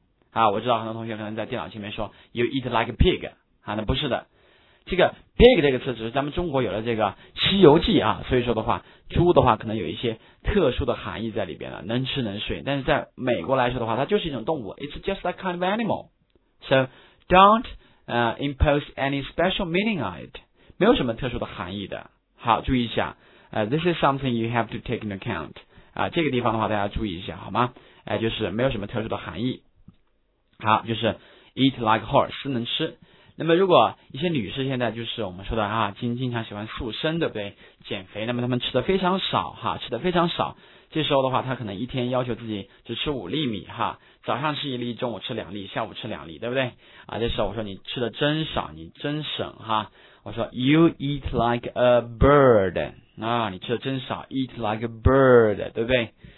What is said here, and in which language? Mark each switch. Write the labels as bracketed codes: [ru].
[zh] 啊，我知道很多同学可能在电脑前面说 [en] You eat like a pig. [zh] 啊，那不是的。这个 pig 这个词只是咱们中国有了这个西游记啊，所以说的话猪的话可能有一些特殊的含义在里边了，能吃能睡，但是在美国来说的话它就是一种动物， [en] It's just that kind of animal. So don't impose any special meaning on it. [zh] 没有什么特殊的含义的。好，注意一下 [en] this is something you have to take into account. [zh] 这个地方的话大家注意一下好吗，就是没有什么特殊的含义。好，就是 [en] eat like horse, [zh] 能吃。那么如果一些女士现在就是我们说的啊，经常喜欢塑身，对不对，减肥，那么她们吃的非常少哈，吃的非常少，这时候的话她可能一天要求自己只吃5粒米哈，早上吃1粒，中午吃2粒，下午吃2粒，对不对啊，这时候我说你吃的真少，你真省哈，我说 [en] You eat like a bird, [zh] 啊，你吃的真少， [en] eat like a bird, [zh] 对不对